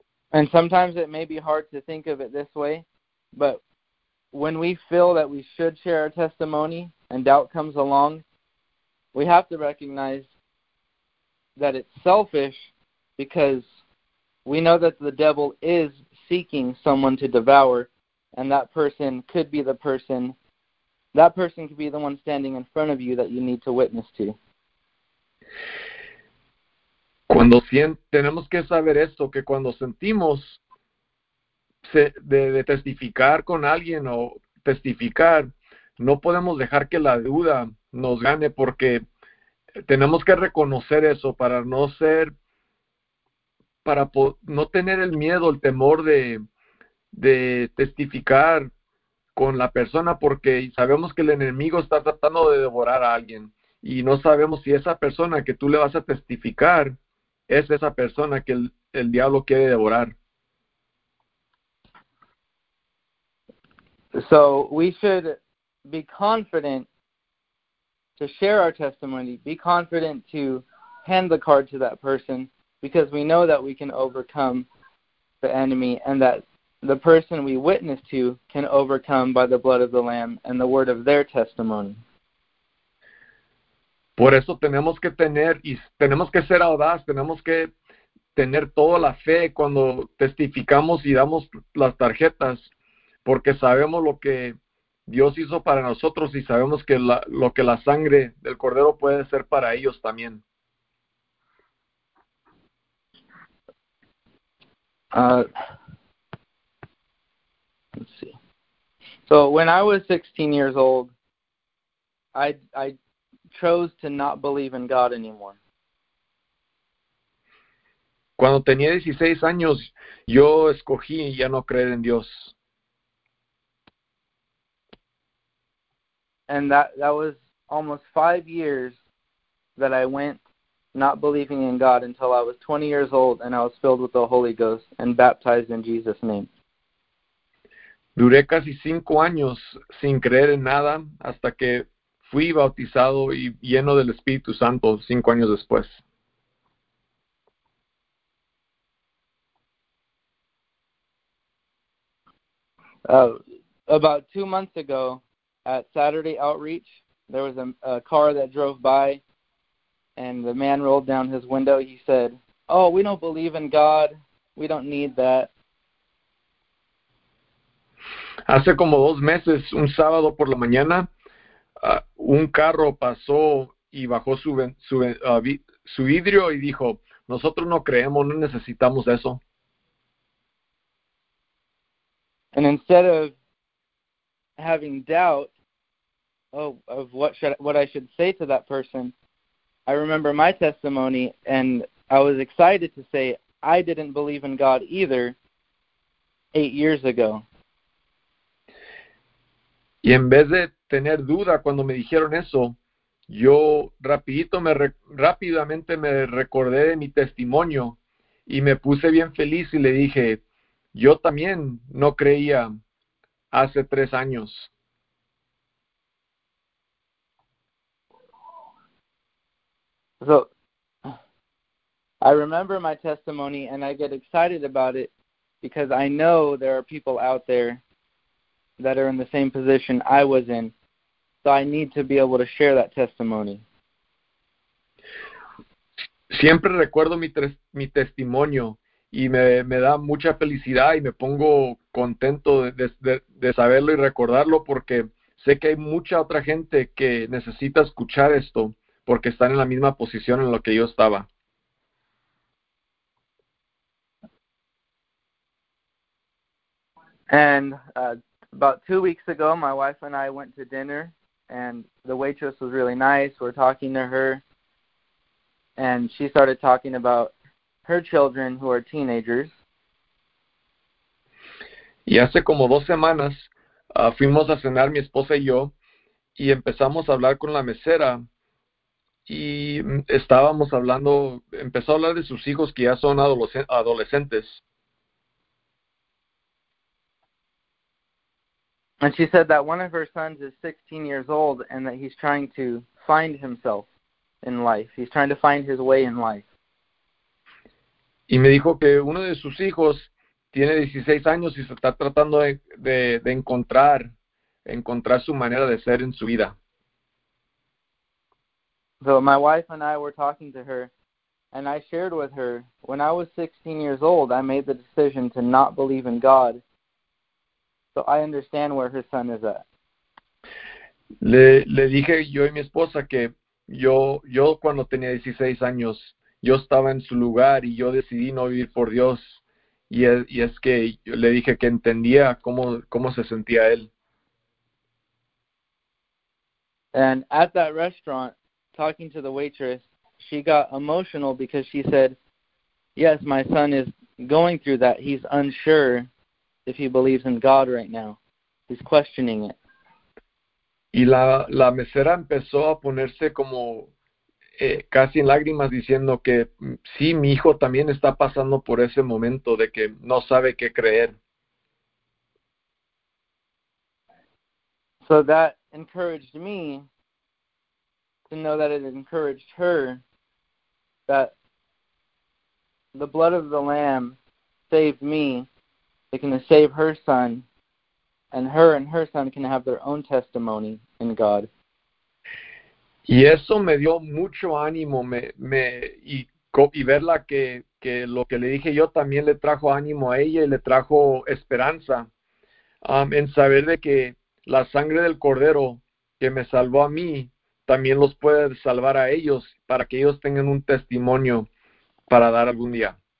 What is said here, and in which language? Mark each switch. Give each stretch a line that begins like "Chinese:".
English: And sometimes it may be hard to think of it this way, but when we feel that we should share our testimony and doubt comes along, we have to recognize that it's selfish because we know that the devil is seeking someone to devour, and that person could be the one standing in front of you that you need to witness to.
Spanish: Tenemos que saber esto, que cuando sentimos de testificar con alguien o testificar, no podemos dejar que la duda nos gane porque tenemos que reconocer eso para no tener el miedo, el temor de testificar con la persona porque sabemos que el enemigo está tratando de devorar a alguien y no sabemos si esa persona que tú le vas a testificar es esa persona que el diablo quiere devorar.
English: So we should be confident to share our testimony, be confident to hand the card to that person, because we know that we can overcome the enemy and that the person we witness to can overcome by the blood of the Lamb and the word of their testimony.
Spanish: Por eso tenemos que tener, y tenemos que ser audaz, tenemos que tener toda la fe cuando testificamos y damos las tarjetas, porque sabemos lo que Dios hizo para nosotros y sabemos que lo que la sangre del Cordero puede ser para ellos también.
English: Let's see. So when I was 16 years old, I chose to not believe in God anymore.
Spanish: Cuando tenía 16 años, yo escogí ya no creer en Dios.
English: And that was almost 5 years that I went not believing in God until I was 20 years old and I was filled with the Holy Ghost and baptized in Jesus' name.
Spanish: Duré casi 5 años sin creer en nada hasta que fui bautizado y lleno del Espíritu Santo 5 años después.
English: About 2 months ago, at Saturday Outreach, there was a car that drove by, and the man rolled down his window. He said, "Oh, we don't believe in God. We don't need that."
Spanish: Hace como 2 meses, un sábado por la mañana, un carro pasó y bajó su vidrio y dijo, nosotros no creemos, no necesitamos eso.
English: And instead of having doubt of what I should say to that person, I remember my testimony and I was excited to say I didn't believe in God either 8 years ago.
Spanish: Y en vez de tener duda cuando me dijeron eso, yo rápidamente me recordé de mi testimonio y me puse bien feliz y le dije, yo también no creía hace 3 años.
English: So, I remember my testimony and I get excited about it because I know there are people out there that are in the same position I was in, so I need to be able to share that testimony.
Spanish: Siempre recuerdo mi testimonio y me da mucha felicidad y me pongo contento de saberlo y recordarlo porque sé que hay mucha otra gente que necesita escuchar esto porque están en la misma posición en la que yo estaba.
English: About 2 weeks ago, my wife and I went to dinner, and the waitress was really nice. We're talking to her, and she started talking about her children who are teenagers.
Spanish: Y hace como 2 semanas fuimos a cenar mi esposa y yo y empezamos a hablar con la mesera y estábamos hablando, empezó a hablar de sus hijos que ya son adolescentes.
English: And she said that one of her sons is 16 years old and that he's trying to find himself in life. He's trying to find his way in life.
Spanish: Y me dijo que uno de sus hijos tiene 16 años y se está tratando de encontrar su manera de ser en su vida.
English: So my wife and I were talking to her, and I shared with her, when I was 16 years old, I made the decision to not believe in God. So I understand where her son is at.
Spanish: Le dije yo y mi esposa que yo cuando tenía 16 años, yo estaba en su lugar y yo decidí no vivir por Dios. Y es que yo le dije que entendía cómo se sentía él.
English: And at that restaurant, talking to the waitress, she got emotional because she said, "Yes, my son is going through that. He's unsure if he believes in God right now. He's questioning it."
Spanish: Y la mesera empezó a ponerse como casi en lágrimas diciendo que sí, mi hijo también está pasando por ese momento de que no sabe qué creer.
English: So that encouraged me to know that it encouraged her that the blood of the lamb saved me. They can save her son, and her son can have their own testimony in God.
Spanish: Y eso me dio mucho ánimo, y verla que lo que le dije yo también le trajo ánimo a ella y le trajo esperanza, en saber de que la sangre del cordero que me salvó a mí también los puede salvar a ellos para que ellos tengan un testimonio para dar algún día.